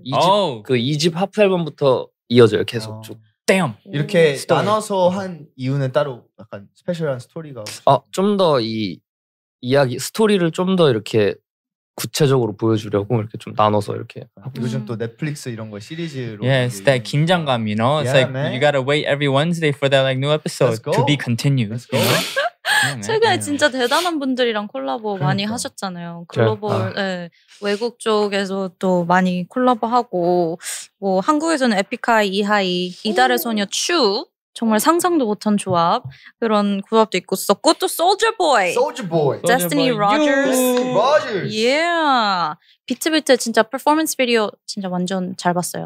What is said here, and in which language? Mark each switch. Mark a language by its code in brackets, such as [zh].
[ko] 2집 하프 앨범부터 이어져요. 계속 쭉. 땜! 이렇게 스토리. 나눠서 한 이유는 따로 약간 스페셜한 스토리가 아, 좀 더 이 이야기 스토리를 좀 더 이렇게 구체적으로 보여주려고 이렇게 좀 나눠서 이렇게 요즘 또 넷플릭스 이런 거 시리즈로 [en] Yes, that 긴장감, you know? It's yeah, like, man. you gotta wait every Wednesday for that like, new episode to be continued. Let's go. [ko] yeah, 최근에 yeah. 진짜 대단한 분들이랑 콜라보 그러니까. 많이 하셨잖아요. 글로벌 아. 네, 외국 쪽에서 또 많이 콜라보하고 뭐 한국에서는 에픽하이, 이하이, 이달의 소녀, 추 정말 상상도 못한 조합 그런 조합도 있고 썼고 또 Soulja Boy, Destiny Rogers, Yeah, BTBT 진짜 퍼포먼스 비디오 진짜 완전 잘 봤어요.